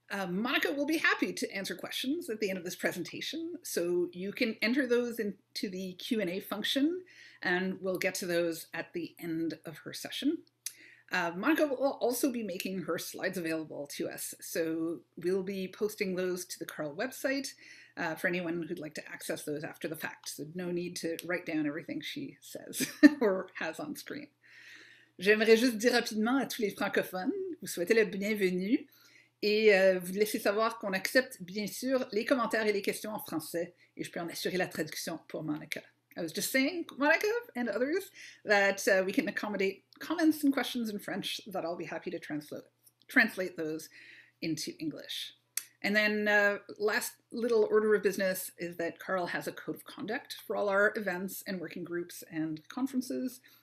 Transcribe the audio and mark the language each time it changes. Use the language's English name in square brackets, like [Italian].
[English] Monica will be happy to answer questions at the end of this presentation, so you can enter those into the Q&A function and we'll get to those at the end of her session. Monica will also be making her slides available to us, so we'll be posting those to the CARL website for anyone who'd like to access those after the fact. So no need to write down everything she says or has on screen. [French] J'aimerais juste dire rapidement à tous les francophones, vous souhaitez la bienvenue et vous laisser savoir qu'on accepte bien sûr les commentaires et les questions en français et je peux en assurer la traduction pour Monica. [English] I was just saying, Monica and others, that we can accommodate comments and questions in French that I'll be happy to translate those into English. And then last little order of business is that CARL has a code of conduct for all our events and working groups and conferences.